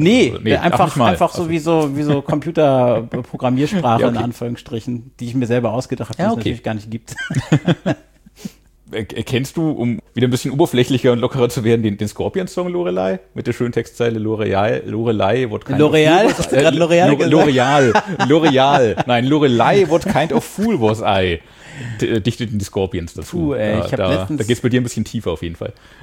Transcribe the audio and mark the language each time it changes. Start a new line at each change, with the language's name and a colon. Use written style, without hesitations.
German: Nee, einfach so wie so Computerprogrammiersprache in Anfang. Strichen, die ich mir selber ausgedacht habe, die es natürlich gar nicht gibt. Erkennst du, um wieder ein bisschen oberflächlicher und lockerer zu werden, den Scorpions-Song Lorelei mit der schönen Textzeile
English: Lorelei, what kind L'Oreal? Of fool was I? L'Oreal? L'Oreal. L'Oreal. Nein, Lorelei, what kind of fool was I?
German: Dichteten die Scorpions dazu. Puh, ey, da geht es bei dir ein bisschen tiefer auf jeden Fall.